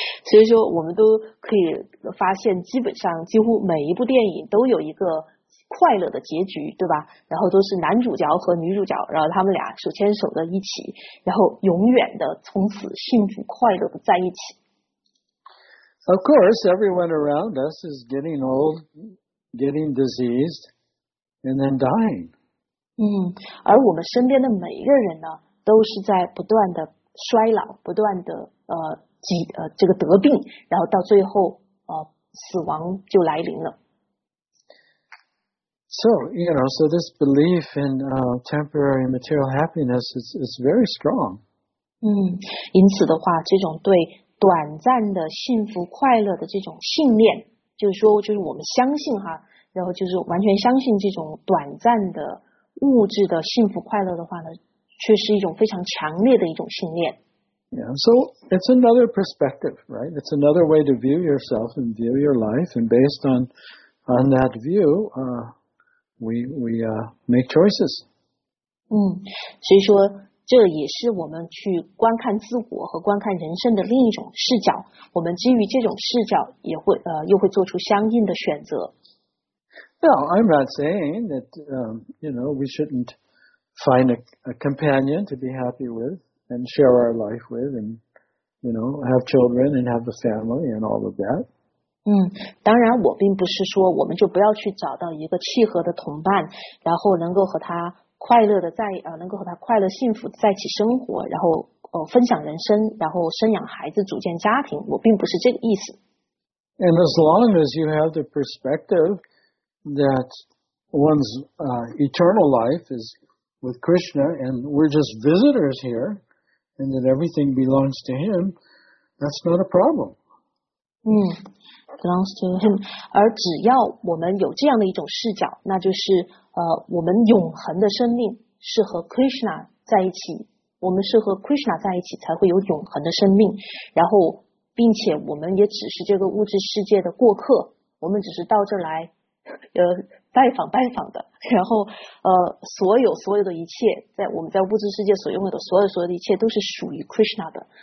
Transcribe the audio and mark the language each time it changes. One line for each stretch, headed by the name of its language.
Chinese: 所以说，我们都可以发现，基本上几乎每一部电影都有一个快乐的结局，对吧？然后都是男主角和女主角，然后他们俩手牵手的一起，然后永远的从此幸福快乐的在一起。
English: Of course, everyone around us is getting old, getting diseased, and then dying.
Chinese: 而我们身边的每一个人呢，都是在不断的衰老，不断的这个得病，然后到最后死亡就来临了。
English: So, you know, so this belief in temporary material happiness is very strong.
Chinese: 因此的话，这种对短暂的幸福快乐的这种信念，就是说，就是我们相信哈，然后就是完全相信这种短暂的物质的幸福快乐的话呢，却是一种非常强烈的一种信念。
English: Yeah, so it's another perspective, right? It's another way to view yourself and view your life, and based on that view, We make choices.
Chinese: 所以说这也是我们去观看自我和观看人生的另一种视角。我们基于这种视角，也会又会做出相应的选择。
English: Well, I'm not saying that you know we shouldn't find a companion to be happy with and share our life with, and you know have children and have a family and all of that.
Chinese: 当然我并不是说我们就不要去找到一个契合的同伴，然后能够和他快乐的能够和他快乐幸福在一起生活，然后分享人生，然后生养孩子，组建家庭，我并不是这个意思。
English: And as long as you have the perspective that one's eternal life is with Krishna and we're just visitors here and that everything belongs to him, that's not a problem. Belongs to him.
Chinese: 而只要我们有这样的一种视角，那就是我们永恒的生命是和 Krishna 在一起，我们是和 Krishna 在一起才会有永恒的生命，然后并且我们也只是这个物质世界的过客，我们只是到这儿来拜访拜访的，然后所有的一切，在我们在物质世界所拥有的所有的一切都是属于 Krishna 的。